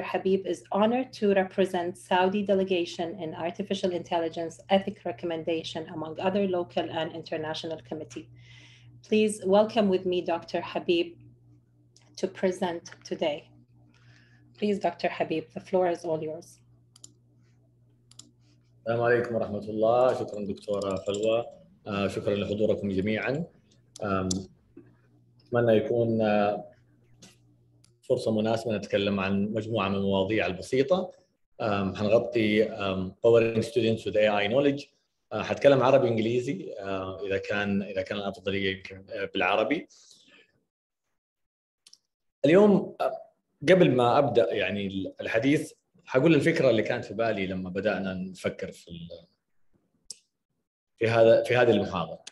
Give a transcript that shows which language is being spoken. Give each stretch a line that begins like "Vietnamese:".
English: Habib is honored to represent Saudi delegation in artificial intelligence ethic recommendation among other local and international committee. Please welcome with me Dr. Habib to present today. Please, Dr. Habib, the floor is all yours.
Arabic: السلام عليكم ورحمة الله. شكرا دكتورة فلوى. شكرا لحضوركم جميعا. أتمنى يكون فرصة مناسبة نتكلم عن مجموعة من المواضيع البسيطة. هنغطي powering students with AI knowledge. هتكلم عربي إنجليزي إذا كان الأفضلية بالعربي. اليوم قبل ما أبدأ يعني الحديث هقول الفكرة اللي كانت في بالي لما بدأنا نفكر في هذه المحاضرة.